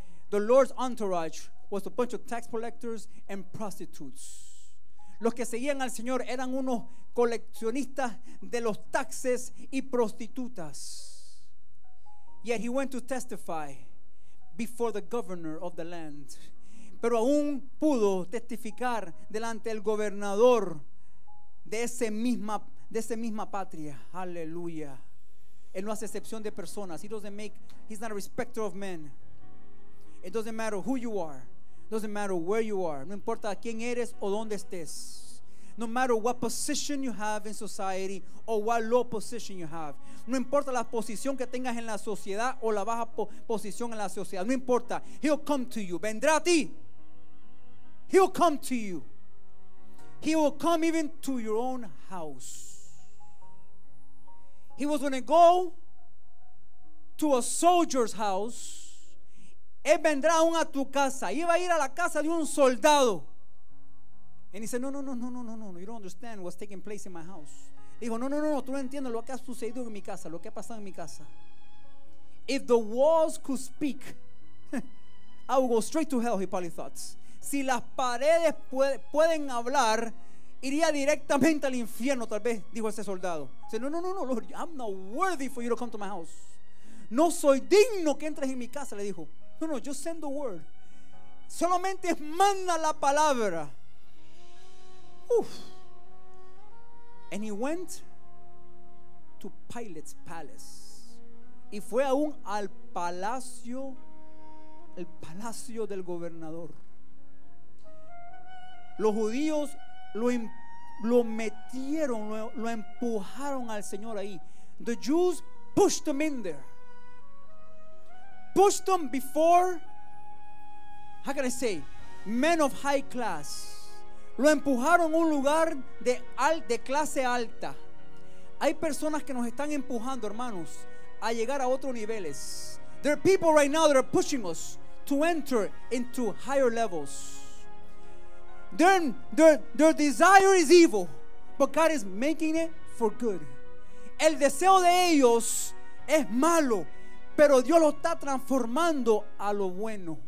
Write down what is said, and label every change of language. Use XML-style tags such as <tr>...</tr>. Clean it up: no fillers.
<en>The Lord's entourage was a bunch of tax collectors and prostitutes.</en> <es>Los que seguían al Señor eran unos coleccionistas de los taxes y prostitutas.</es> <en>Yet he went to testify before the governor of the land.</en> <es>Pero aún pudo testificar delante del gobernador de esa misma patria. Aleluya. Él no hace excepción de personas.</es> <en>He's not a respecter of men. It doesn't matter who you are. It doesn't matter where you are.</en> <es>No importa quién eres o dónde estés.</es> <en>No matter what position you have in society or what low position you have.</en> <es>No importa la posición que tengas en la sociedad o la baja posición en la sociedad. No importa.</es> <en>He'll come to you.</en> <es>Vendrá a ti.</es> <en>He'll come to you. He will come even to your own house. He was going to go to a soldier's house.</en> <es>Él vendrá aún a tu casa. Iba a ir a la casa de un soldado.</es> <en>And he said, no. You don't understand what's taking place in my house.</en> <es>He dijo, no. Tú no entiendes lo que ha sucedido en mi casa. Lo que ha pasado en mi casa.</es> <en>If the walls could speak, I would go straight to hell, he probably thought.</en> <es>Si las paredes pueden hablar, iría directamente al infierno, tal vez, dijo ese soldado. Dice, no,</es> <en>Lord, I'm not worthy for you to come to my house.</en> <es>No soy digno que entres en mi casa, le dijo.</es> <en>No, just send the word.</en> <es>Solamente manda la palabra.</es> <en>Uf. And he went to Pilate's palace.</en> <es>Y fue aún al palacio, el palacio del gobernador. Los judíos lo empujaron al Señor ahí.</es> <en>The Jews pushed them in there. Pushed them before, how can I say, men of high class.</en> <es>Lo empujaron a un lugar de clase alta. Hay personas que nos están empujando, hermanos, a llegar a otros niveles.</es> <en>There are people right now that are pushing us to enter into higher levels. Their desire is evil, but God is making it for good.</en> <es>El deseo de ellos es malo, pero Dios lo está transformando a lo bueno.</es>